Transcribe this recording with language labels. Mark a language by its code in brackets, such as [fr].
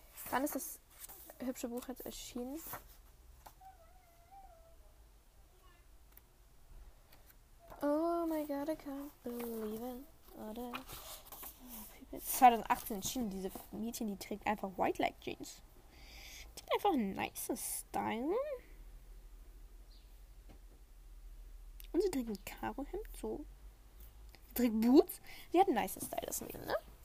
[de] Wann ist das hübsche Buch jetzt erschienen? [en] Oh my god, I can't believe it. [de] Oder? 2018 erschienen, diese Mädchen, die trägt einfach white leg jeans. Die hat einfach ein nice Style. Und sie trägt ein Karo-Hemd, so. Sie trägt Boots. Sie hat ein nice Style, das Mädchen, ne?